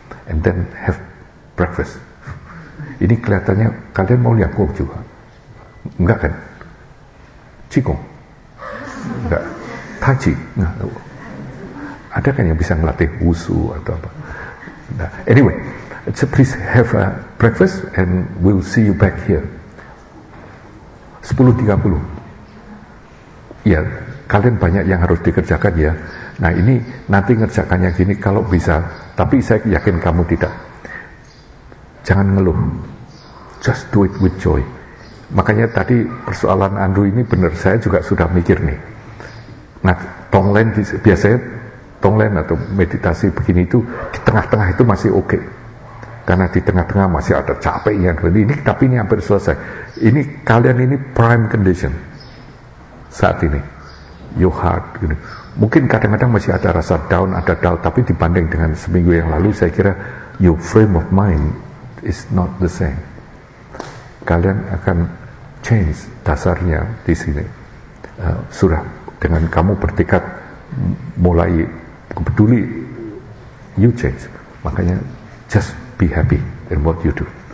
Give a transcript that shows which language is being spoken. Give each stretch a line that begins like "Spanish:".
English: And then have breakfast.
Indonesian: Ini kelihatannya kalian mau lihat kok juga, enggak kan? Qigong, enggak, tai chi, enggak. Ada kan yang bisa ngelatih wusu atau apa?
English: Nah, anyway, so please have a breakfast and we'll see you back here.
Indonesian: 10:30. Ya, kalian banyak yang harus dikerjakan ya. Nah ini nanti ngerjakannya gini kalau bisa, tapi saya yakin kamu tidak. Jangan ngeluh.
English: Just do it with joy.
Indonesian: Makanya tadi persoalan Andrew ini benar, saya juga sudah mikir nih. Nah, tonglen biasanya tonglen atau meditasi begini itu di tengah-tengah itu masih oke. Karena di tengah-tengah masih ada capek yang ini, tapi ini hampir selesai. Ini kalian ini
English: prime condition
Indonesian: saat ini.
English: Your heart
Indonesian: gini. Mungkin kadang-kadang masih ada rasa down, ada dull, tapi dibanding dengan seminggu yang lalu saya kira
English: your frame of mind is not the same.
Indonesian: Kalian akan change dasarnya di sini. Sudah dengan kamu bertekad mulai peduli,
English: you change.
Indonesian: Makanya
English: just be happy in what you do.